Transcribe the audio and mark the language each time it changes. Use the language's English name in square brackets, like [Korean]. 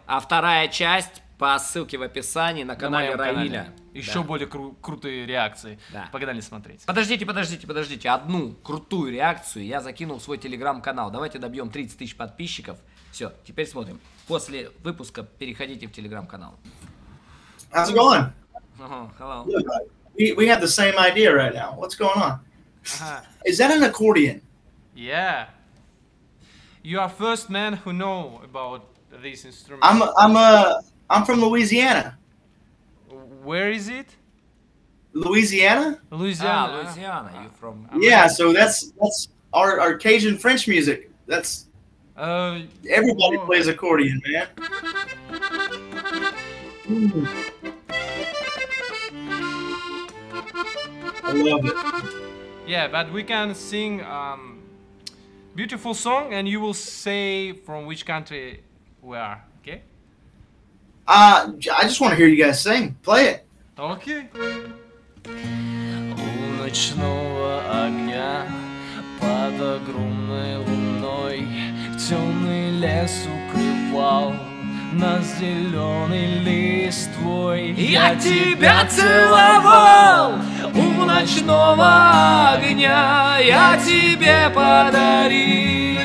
[Russian] А вторая часть по ссылке в описании на канале Раиля. Еще более крутые реакции. Да. Погнали смотреть. Подождите. Одну крутую реакцию я закинул в свой телеграм-канал. Давайте добьем 30 тысяч подписчиков. Все, теперь смотрим. После выпуска переходите в телеграм-канал. [English] How's it going? Oh, hello. We have the same idea right now. What's going on? Is that an accordion? Yeah. You are first man who know about this instrument. I'm from Louisiana. Where is it? Louisiana? Louisiana. You from? Yeah, so that's our Cajun French music. That's everybody plays accordion, man. Mm. I love it. Yeah, but we can sing beautiful song, and you will say from which country we are. Okay. I just want to hear you guys sing. Play it. [Russian] Окей. У ночного огня под огромной луной темный лес укрывал нас зеленый листвой. Я тебя целовал у ночного огня, я тебе подарил.